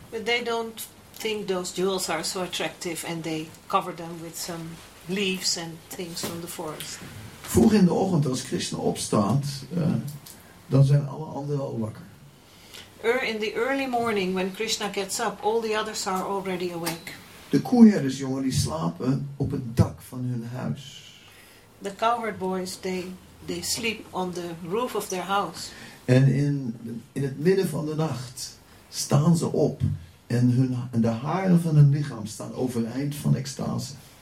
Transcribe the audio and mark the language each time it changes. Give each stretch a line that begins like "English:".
English: But they don't think those jewels are so attractive and they cover them with some leaves and things from the forest.
Dutch: Vroeg in de ochtend als Krishna opstaat, dan zijn alle anderen al wakker.
English: In the early morning when Krishna gets up, all the others are already awake.
Dutch: De koeherdersjongen die slapen op het dak van hun huis.
English: The cowherd boys they sleep on the roof of their house.
Dutch: En in het midden van de nacht staan ze op en de haren van hun lichaam staan overeind van extase.